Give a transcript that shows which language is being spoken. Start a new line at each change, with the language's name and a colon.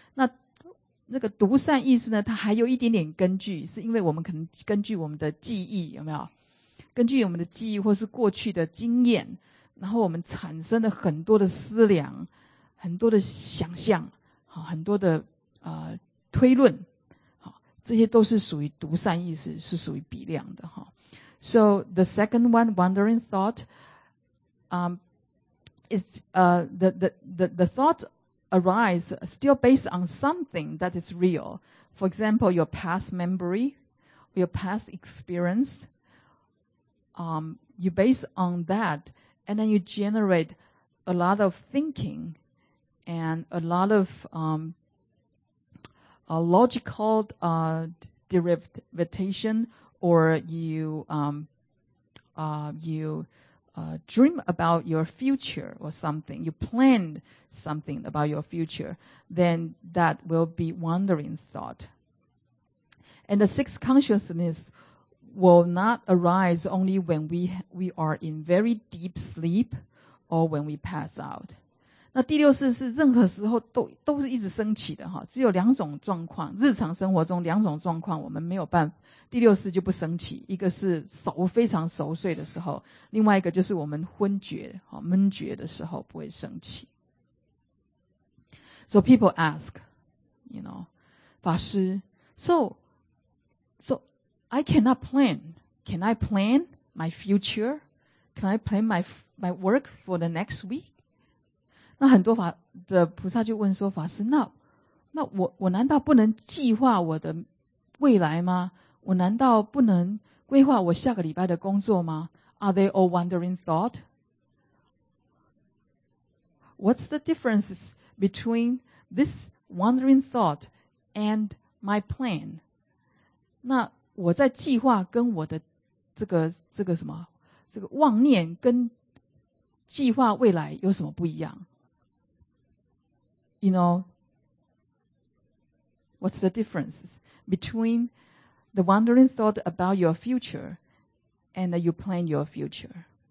Chinese: 那那个独善意识呢，它还有一点点根据，是因为我们可能根据我们的记忆，有没有根据我们的记忆或是过去的经验，然后我们产生了很多的思量，很多的想象，好，很多的推论，好，这些都是属于独善意识，是属于比量的哈。
English: So the second one, wandering thought, is the thought arise still based on something that is real. For example, your past memory, your past experience. You base on that, and then you generate a lot of thinking and a lot of logical derivation. Or you dream about your future or something, you plan something about your future, then that will be wandering thought. And the sixth consciousness will not arise only when we are in very deep sleep or when we pass out.
Chinese: 那第六识是任何时候都是一直升起的哈，只有两种状况，日常生活中两种状况我们没有办法，第六识就不升起，一个是熟非常熟睡的时候，另外一个就是我们昏厥哈闷厥的时候不会升起。
English: So people ask, you know, 法师 ，So I cannot plan. Can I plan my future? Can I plan my work for the next week?
Chinese: 那很多法的菩萨就问说，法师，那我难道不能计划我的未来吗？我难道不能规划我下个礼拜的工作吗？
English: Are they all wandering thought? What's the difference between this wandering thought and my plan?
Chinese: 那我在计划跟我的这个什么，这个妄念跟计划未来有什么不一样？
English: You know, what's the difference between the wandering thought about your future and that you plan your future?